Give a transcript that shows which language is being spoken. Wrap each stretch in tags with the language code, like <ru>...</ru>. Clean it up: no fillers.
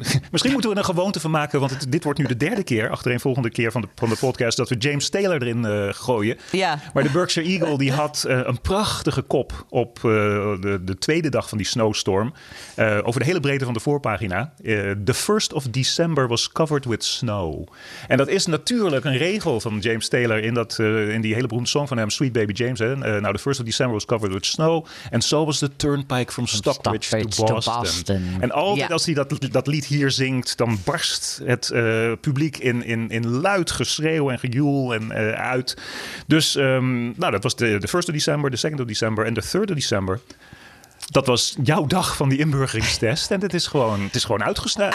<nl>Misschien moeten we er een gewoonte van maken. Want dit wordt nu de derde keer, achtereenvolgende keer van de podcast, dat we James Taylor erin gooien. Ja. Maar de Berkshire Eagle die had een prachtige kop op de tweede dag van die sneeuwstorm. Over de hele breedte van de voorpagina.</nl> <en>The 1st of December was covered with snow.</en> <nl>En dat is natuurlijk een regel van James Taylor in die hele beroemde song van hem, Sweet Baby James.</nl> <en>De 1st of December was covered with snow. And so was the turnpike from Stockbridge to Boston.</en> <nl>En altijd als hij dat lied hier zingt, dan barst het publiek in luid geschreeuw en gejoel en uit. Dus dat was de 1st of December, de 2nd of December en de 3rd of December. Dat was jouw dag van die inburgeringstest. En het is gewoon uitgesneld.</nl>